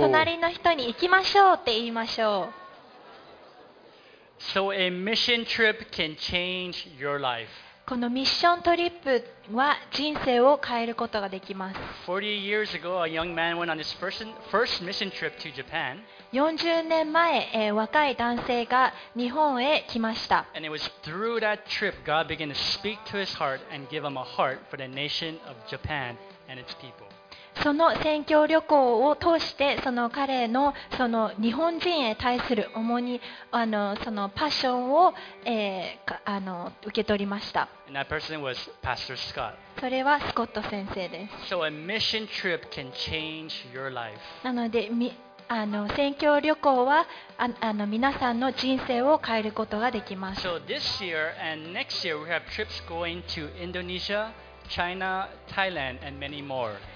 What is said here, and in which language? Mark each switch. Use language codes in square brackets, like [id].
[ja] 隣の人に行きましょうって言いましょう。 [en] So a mission trip can change your life. [ja] このミッショントリップは人生を変えることができます。 [en] 40 years ago, a young man went on his first mission trip to Japan. [ja] 40年前、若い男性が日本へ来ました。 [en] And it was through that trip God began to speak to his heart and give him a heart for the nation of Japan and its people. [ja] その宣教旅行を通してその彼 の, その日本人へ対する主にあのそのパッションを、あの受け取りました。 [en] And that person was Pastor Scott. [ja] それはスコット先生です。 [en] So a mission trip can change your life. [ja] なのであの宣教旅行はああの皆さんの人生を変えることができます。 [en] So this year and next year we have trips going to Indonesia, China, Thailand and many more.